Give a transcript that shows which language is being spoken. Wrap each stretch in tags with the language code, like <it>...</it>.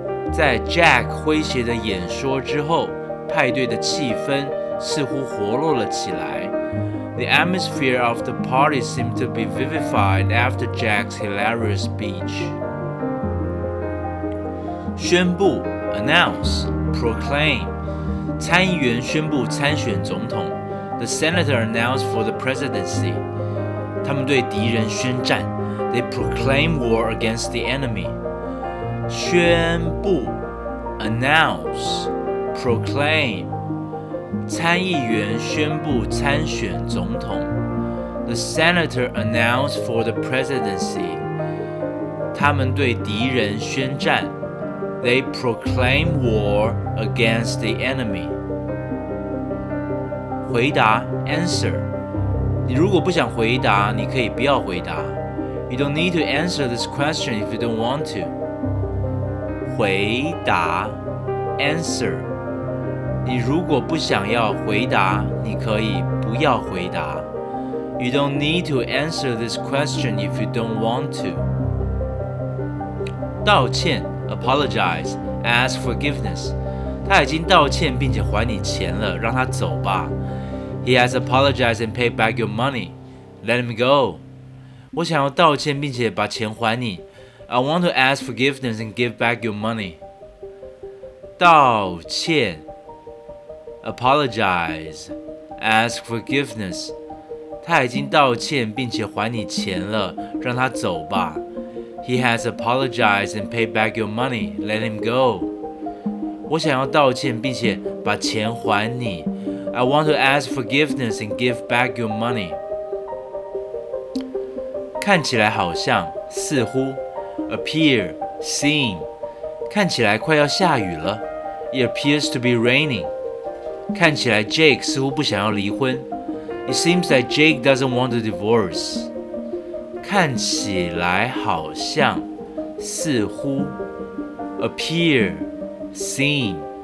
<zh>在 Jack 诙谐的演说之后，派对的气氛似乎活络了起来。</zh> <en>The atmosphere of the party seemed to be vivified after Jack's hilarious speech.</en> <zh>宣布。</zh> <en>Announce, proclaim.</en> <zh>参议员宣布参选总统。</zh> <en>The senator announced for the presidency.</en> <zh>他们对敌人宣战。</zh> <en>They proclaim war against the enemy. 宣布 announce, proclaim.</en> <zh>参议员宣布参选总统。</zh> <en>The senator announced for the presidency.</en> <zh>他们对敌人宣战。</zh> <en>They proclaim war against the enemy.</en> <zh>回答 answer. 你如果不想回答，你可以不要回答。</zh> <en>You don't need to answer this question if you don't want to.</en> <zh>回答 answer. 你如果不想要回答，你可以不要回答。</zh> <en>You don't need to answer this question if you don't want to. 道歉。Apologize, ask forgiveness.</en> <zh>他已经道歉并且还你钱了，让他走吧。</zh> <en>He has apologized and paid back your money. Let him go.</en> <zh>我想要道歉并且把钱还你。</zh> <en>I want to ask forgiveness and give back your money. 道歉 Apologize, ask forgiveness.</en> <zh>他已经道歉并且还你钱了，让他走吧。</zh> <en>He has apologized and paid back your money. Let him go.</en> <zh>我想要道歉并且把钱还你。</zh> <en>I want to ask forgiveness and give back your money.</en> <zh>看起来好像，似乎</zh> <en>appear, seem</en> <zh>看起来快要下雨了</zh> <en>it appears to be raining</en> <zh>看起来 Jake 似乎不想要离婚</zh> <en>it seems that Jake doesn't want a divorce 看起来好像，似乎 appear, seem</en>